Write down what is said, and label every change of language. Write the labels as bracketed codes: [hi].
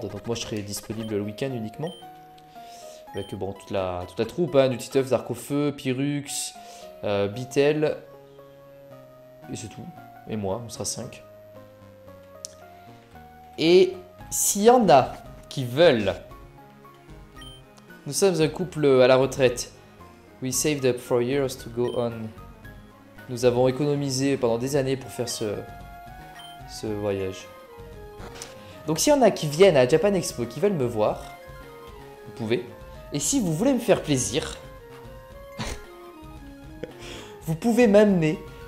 [fr] Donc moi, je serai disponible le week-end uniquement. Avec bon, toute la troupe, hein, du Titeuf, Zarkofeu, Pyrux, Beetle. Et c'est tout. Et moi, on sera 5. Et s'il y en a qui veulent, nous sommes un couple à la retraite. [en] We saved up for years to go on. [fr] Nous avons économisé pendant des années pour faire ce voyage. Donc s'il y en a qui viennent à Japan Expo, qui veulent me voir, vous pouvez. Et si vous voulez me faire plaisir, vous pouvez m'amener...